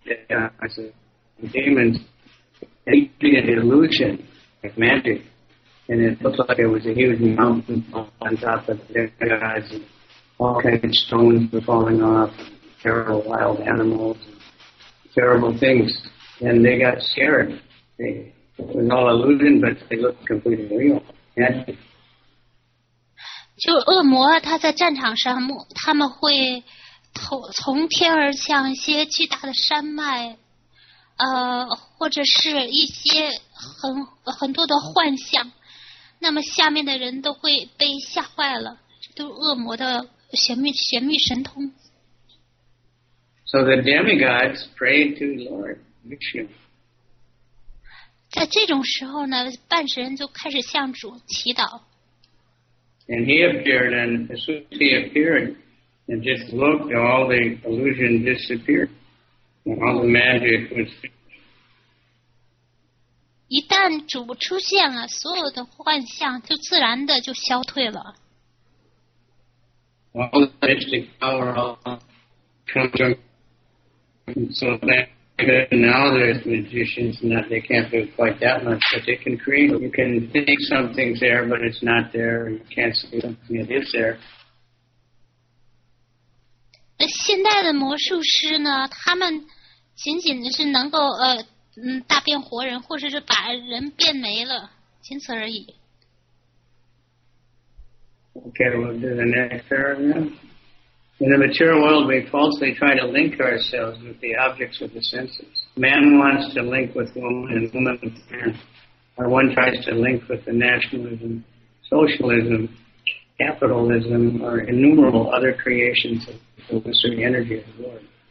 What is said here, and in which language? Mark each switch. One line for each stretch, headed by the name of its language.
English: And demons, anything an illusion, like magic, and it looks like it was a huge mountain on top of the gods, and all kinds of stones were falling off, terrible wild animals. Terrible things, and they got scared. It was all illusion, but they looked completely real. Yeah.
Chinese: 就恶魔，他在战场上，他们会从天而降一些巨大的山脉，或者是一些很多的幻象。那么下面的人都会被吓坏了，都是恶魔的玄秘神通。
English: So the demigods prayed to Lord Vishnu.
Chinese: 在这种时候呢，半神就开始向主祈祷。
English: And he appeared, and as soon as he appeared, and just looked, all the illusion disappeared. And all the magic was finished.
Chinese: 一旦主出现了，所有的幻象就自然的就消退了。
English: All the mystic power comes from. So now there's magicians, not they can't do quite that much, but they can create. You can think something's there, but it's not there. You can't see something that is there.
Chinese: 现代的魔术师呢，他们仅仅是能够大变活人，或者是把人变没了，仅此而已。
English: Okay, we'll do the next paragraph. In the material world, we falsely try to link ourselves with the objects of the senses. Man wants to link with woman and woman with man. Or one tries to link with the nationalism, socialism, capitalism, or innumerable other creations of the illusory energy of the Lord.